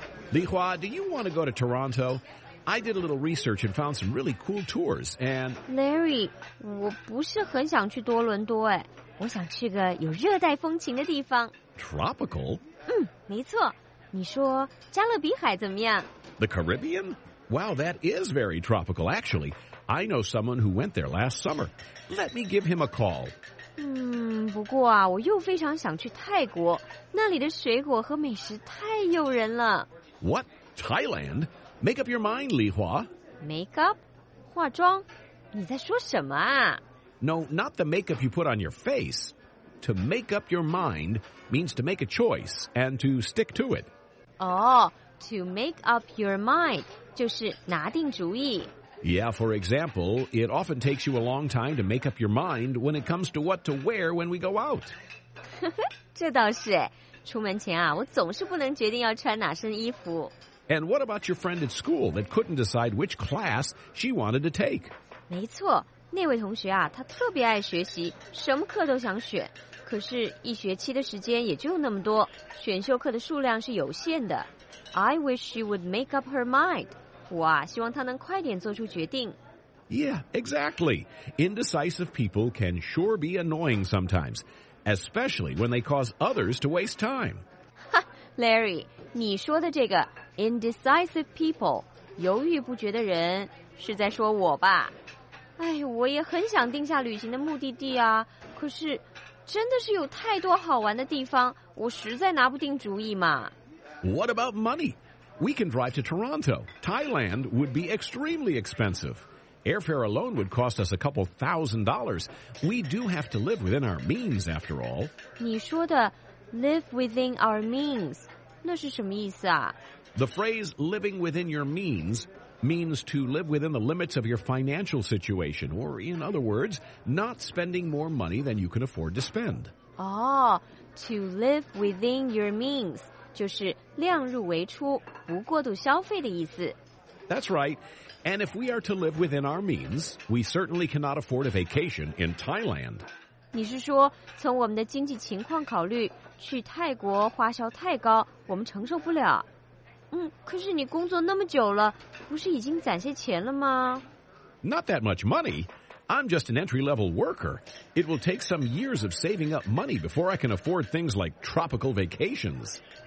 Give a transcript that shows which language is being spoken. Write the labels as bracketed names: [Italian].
[English] 李华, do you want to go to Toronto? I did a little research and found some really cool tours, and... [Chinese] Larry, 我不是很想去多伦多哎。我想去个有热带风情的地方。 [English] Tropical? [Chinese] 嗯，没错。你说加勒比海怎么样? [English] The Caribbean? Wow, that is very tropical, actually. I know someone who went there last summer. Let me give him a call. [Chinese] 嗯，不过啊，我又非常想去泰国，那里的水果和美食太诱人了。 [English] What? Thailand? Make up your mind, 李华。 Make up? [Chinese] 化妆？你在说什么啊 [English] ？No, not the makeup you put on your face. To make up your mind means to make a choice and to stick to it. Oh, to make up your mind [Chinese] 就是拿定主意。 [English] Yeah, for example, it often takes you a long time to make up your mind when it comes to what to wear when we go out. [Chinese] 这倒是哎，出门前啊，我总是不能决定要穿哪身衣服。 [English] And what about your friend at school that couldn't decide which class she wanted to take? [Chinese] 没错，那位同学啊，他特别爱学习，什么课都想选，可是一学期的时间也就那么多，选修课的数量是有限的。 [English] I wish she would make up her mind. [Chinese] 我希望他能快点做出决定。 [English] Yeah, exactly. Indecisive people can sure be annoying sometimes, especially when they cause others to waste time. [Chinese] Ha, Larry, 你说的这个 [English] indecisive people, [Chinese] 犹豫不决的人是在说我吧？哎，我也很想定下旅行的目的地啊，可是真的是有太多好玩的地方，我实在拿不定主意嘛。 [English] What about money? We can drive to Toronto. Thailand would be extremely expensive. Airfare alone would cost us a couple thousand dollars. We do have to live within our means, after all. [Chinese] 你说的 [English] live within our means, [Chinese] 那是什么意思啊? [English] The phrase living within your means means to live within the limits of your financial situation, or in other words, not spending more money than you can afford to spend. Oh, to live within your means. [Chinese] 就是量入为出，不过度消费的意思。 [English] That's right. And if we are to live within our means, we certainly cannot afford a vacation in Thailand. [Chinese] 你是说从我们的经济情况考虑，去泰国花销太高，我们承受不了？嗯，可是你工作那么久了，不是已经攒些钱了吗？ [English] Not that much money. I'm just an entry-level worker. It will take some years of saving up money before I can afford things like tropical vacations.